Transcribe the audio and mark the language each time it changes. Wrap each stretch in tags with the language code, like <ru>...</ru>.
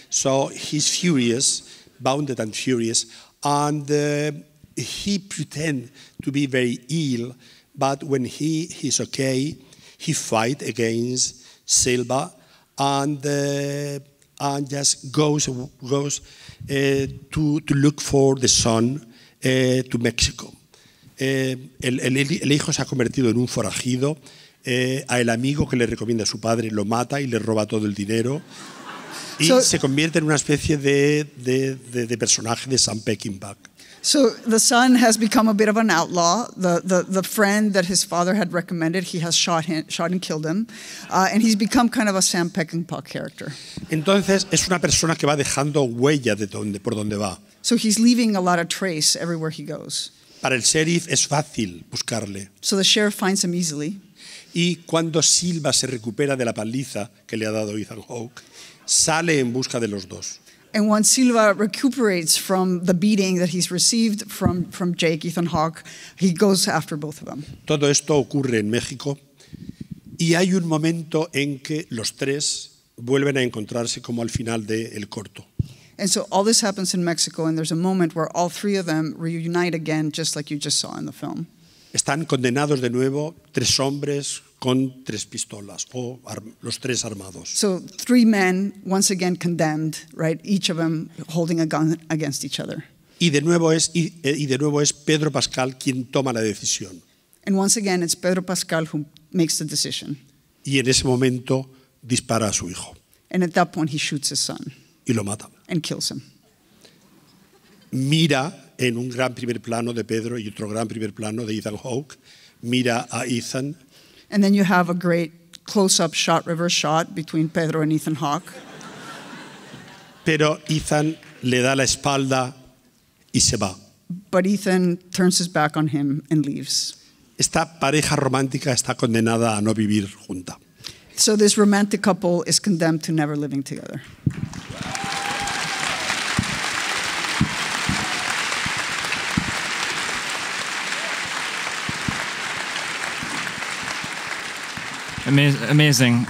<en>So he's furious, bounded and furious, and he pretend to be very ill. But when he's okay, he fight against Silva, and just goes to look for the son to Mexico.</en> <es>El hijo se ha convertido en un forajido. El amigo que le recomienda a su padre lo mata y le roba todo el dinero. Y so, se convierte en una especie de personaje de Sam Peckinpah.</es> <en>So the son has become a bit of an outlaw. The friend that his father had recommended, he has shot and killed him. And he's become kind of a Sam Peckinpah character.</en> <es>Entonces es una persona que va dejando huella de donde, por donde va.</es> <en>So he's leaving a lot of trace everywhere he goes.</en> <es>Para el sheriff es fácil buscarle.</es> <en>So the sheriff finds him easily.</en> <es>Y cuando Silva se recupera de la paliza que le ha dado Ethan Hawke, sale en busca de los dos.</es> <en>And once Silva recuperates from the beating that he's received from Jake, Ethan Hawke, he goes after both of them.</en> <es>Todo esto ocurre en México y hay un momento en que los tres vuelven a encontrarse como al final del corto.</es> <en>And so all this happens in Mexico, and there's a moment where all three of them reunite again, just like you just saw in the film.</en> <es>Están condenados de nuevo, tres hombres con tres pistolas, o los tres armados.</es> <en>So three men, once again condemned, right? Each of them holding a gun against each other.</en> <es>Y de nuevo es Pedro Pascal quien toma la decisión.</es> <en>And once again, it's Pedro Pascal who makes the decision.</en> <es>Y en ese momento dispara a su hijo.</es> <en>And at that point, he shoots his son.</en> <es>Y lo mata.</es> <en>And kills him.</en> <es>Mira en un gran primer plano de Pedro y otro gran primer plano de Ethan Hawke. Mira a Ethan.</es> <en>And then you have a great close-up shot, reverse shot between Pedro and Ethan Hawke.</en> <es>Pero Ethan le da la espalda y se va.</es> <en>But Ethan turns his back on him and leaves.</en> <es>Esta pareja romántica está condenada a no vivir junta.</es> <en>So this romantic couple is condemned to never living together. Amazing.</en>